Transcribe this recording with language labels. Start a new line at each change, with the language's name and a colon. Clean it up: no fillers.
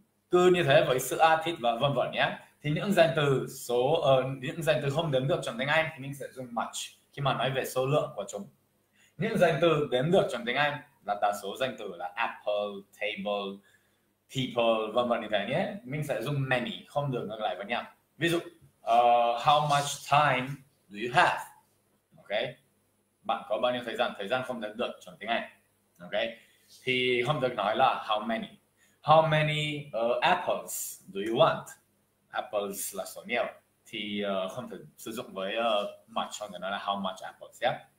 Vietnamese: Cứ như thế với sữa, thịt và vân vân nhé. Thì những danh từ số những danh từ không đếm được trong tiếng Anh thì mình sẽ dùng much khi mà nói về số lượng của chúng. Những danh từ đếm được trong tiếng Anh là đa số danh từ là apple, table, people, vân vân như thế nhé. Mình sẽ dùng many, không được ngược lại với nhau.
English: Ví dụ how much time do you have?
Vietnamese: Ok, bạn có bao nhiêu thời gian? Thời gian không đếm được trong tiếng Anh.
English: Ok, thì không được nói là how many. How many apples do you want?
Vietnamese: Apples là số nhiều. Thì không thể sử dụng với much, không thể nói là how much apples, yeah?